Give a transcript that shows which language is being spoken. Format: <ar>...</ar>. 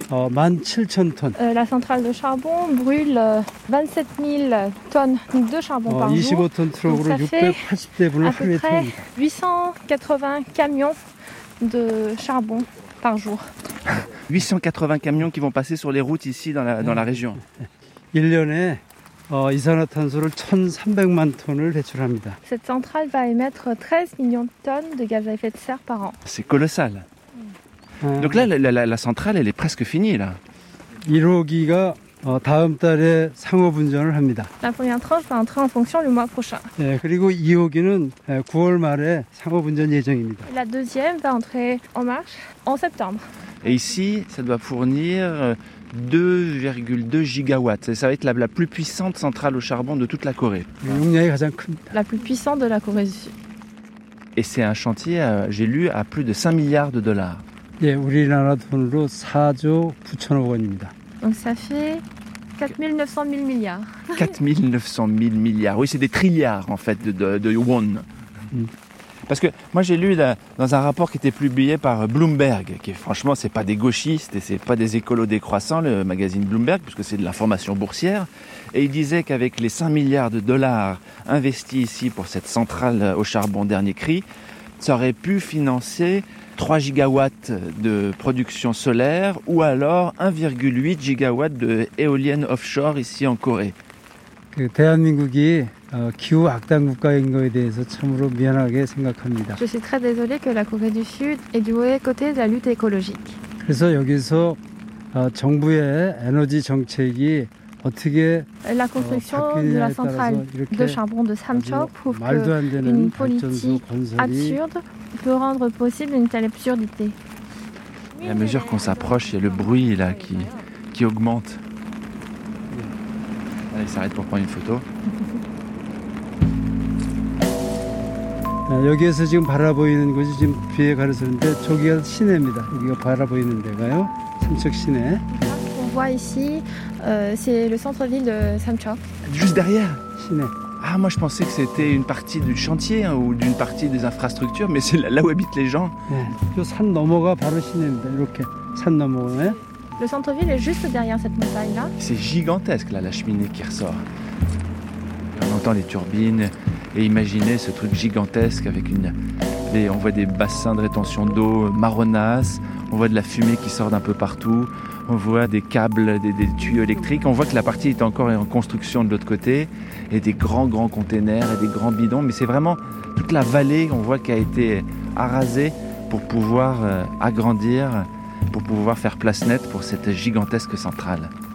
<fr>La centrale de charbon brûle 27 000 tonnes de charbon par jour. Donc ça fait à peu près 880 camions de charbon par jour. 880 camions qui vont passer sur les routes ici dans la région.</fr> <ko>1년에 이산화탄소를 1300만 톤을 배출합니다.</ko> <fr>Cette centrale va émettre 13 millions de tonnes de gaz à effet de serre par an. C'est colossal. Donc là la centrale elle est presque finie là.</fr> <ko>1호기가 다음 달에 상업 운전을 합니다.</ko> <fr>La première tranche va entrer en fonction le mois prochain.</fr> <ko>예, 그리고 2호기는 9월 말에 상업 운전 예정입니다.</ko> <fr>La deuxième va entrer en marche en septembre. Et ici, ça doit fournir 2,2 gigawatts. Ça va être la plus puissante centrale au charbon de toute la Corée.</fr> <ko>용량이 가장 큽니다.</ko> <fr>La plus puissante de la Corée du Sud. Et c'est un chantier, j'ai lu, à plus de 5 milliards de dollars.</fr> <ko>예, 우리나라 돈으로 4조 9천억 원입니다.</ko> <fr>Donc ça fait 4 900 000 milliards. 4 900 000 milliards. Oui, c'est des trilliards, en fait, de won. Parce que moi, j'ai lu dans un rapport qui était publié par Bloomberg, qui franchement, ce n'est pas des gauchistes et ce n'est pas des écolos décroissants, le magazine Bloomberg, puisque c'est de l'information boursière. Et il disait qu'avec les 5 milliards de dollars investis ici pour cette centrale au charbon dernier cri, ça aurait pu financer 3 gigawatts de production solaire ou alors 1,8 gigawatts de éolienne offshore ici en Corée.</fr> <ko>대한민국이 기후 악당 국가인 거에 대해서 참으로 미안하게 생각합니다.</ko> <fr>Je suis très désolée que la Corée du Sud ait du mauvais côté de la lutte écologique.</fr> <ko>그래서 여기서 정부의 에너지 정책이 어떻게</ko> <fr>La construction de la centrale de charbon de Samcheok prouve que une politique absurde peut rendre possible une telle absurdité. Et à mesure qu'on s'approche, il y a le bruit là, qui augmente. Allez, il s'arrête pour prendre une photo.</fr> <ko>여기에서 지금 바라보이는 곳이 지금 뷰에 가르쳤는데 저기가 시내입니다. 여기가 바라보이는 데가요. 삼척 시내.</ko> <fr>On voit ici, c'est le centre-ville de Samcheok. Juste derrière.</fr> <ko>시내.</ko> <fr>Ah, moi je pensais que c'était une partie du chantier hein, ou d'une partie des infrastructures, mais c'est là où habitent les gens.</fr> <ko>네, 저 산 넘어가 바로 시내입니다. 이렇게 산 넘어가요.</ko> <fr>Le centre-ville est juste derrière cette montagne-là. C'est gigantesque là, la cheminée qui ressort. On entend les turbines. Et imaginez ce truc gigantesque avec on voit des bassins de rétention d'eau marronnasses, on voit de la fumée qui sort d'un peu partout, on voit des câbles, des tuyaux électriques, on voit que la partie est encore en construction de l'autre côté, et des grands containers et des grands bidons, mais c'est vraiment toute la vallée qu'on voit qui a été arasée pour pouvoir agrandir, pour pouvoir faire place nette pour cette gigantesque centrale.</fr>